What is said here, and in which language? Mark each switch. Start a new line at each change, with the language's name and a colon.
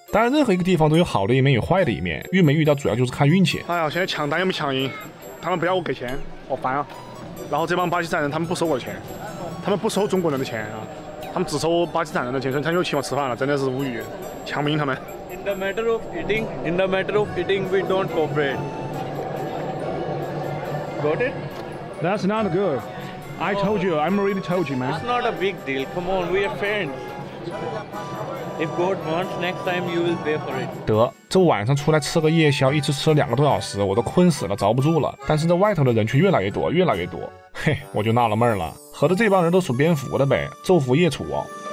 Chinese: 当然，任何一个地方都有好的一面与坏的一面，遇没遇到主要就是看运气。哎呀，现在抢单又没抢赢，他们不要我给钱，我烦啊！然后这帮巴基斯坦人，他们不收我的钱，他们不收中国人的钱啊，他们只收巴基斯坦人的钱，所以他又请我吃饭了，真的是无语，抢不赢他们。
English: In the matter of eating, we don't cooperate. Got it? That's not good. I told you, I'm already told you, man. It's not a big deal. Come on, we are friends. If God wants, next time you will pay for it.
Chinese: 得，这晚上出来吃个夜宵，一直吃了两个多小时，我都困死了，着不住了。但是这外头的人却越来越多，越来越多。嘿，我就纳了闷了，合着这帮人都属蝙蝠的呗，昼伏夜处哦。